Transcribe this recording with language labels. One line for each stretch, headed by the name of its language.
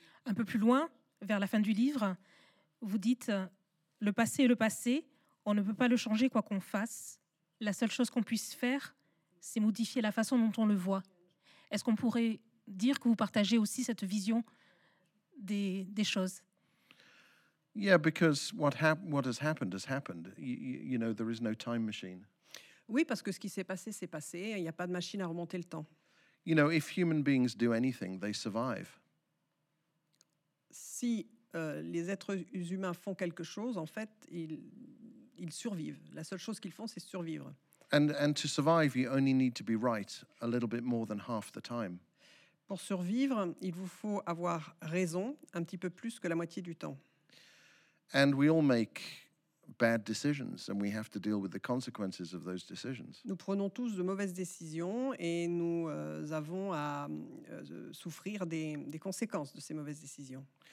French: Un peu plus loin, vers la fin du livre, vous dites « Le passé est le passé, on ne peut pas le changer quoi qu'on fasse. La seule chose qu'on puisse faire, c'est modifier la façon dont on le voit. » Est-ce qu'on pourrait dire que vous partagez aussi cette vision des choses ?
English: Yeah, because what has happened has happened. You know, there is no time machine.
French: Oui, parce que ce qui s'est passé, c'est passé. Il n'y a pas de machine à remonter le temps.
English: You know, if human beings do anything, they survive.
French: Si les êtres humains font quelque chose, en fait, ils survivent. La seule chose qu'ils font, c'est survivre.
English: And to survive, you only need to be right a little bit more than half the time.
French: Pour survivre, il vous faut avoir raison un petit peu plus que la moitié du temps.
English: And we all make bad decisions, and we have to deal with the consequences of those decisions.
French: Nous prenons tous de mauvaises décisions, et nous avons à souffrir des conséquences de ces mauvaises décisions.